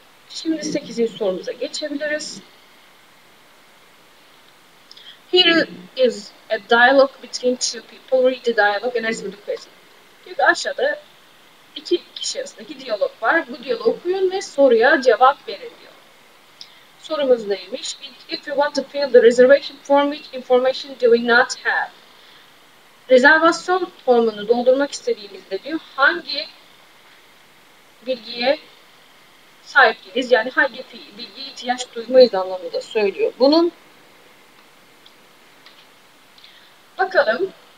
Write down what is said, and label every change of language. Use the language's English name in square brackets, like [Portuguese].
[Turkish] Şimdi 8. sorumuza geçebiliriz. [English] Here is a dialogue between two people. Read the dialogue and answer the question. [Turkish] Çünkü aşağıda iki kişi arasındaki diyalog var. Bu diyaloğu okuyun ve soruya cevap verin diyor. Sorumuz neymiş? [English] If you want to fill the reservation form, which information do we not have? [Turkish] Rezervasyon formunu doldurmak istediğimizde diyor, hangi bilgiye sahip değiliz? Yani hangi bilgiye ihtiyaç duymayız anlamında söylüyor bunun. Bakalım.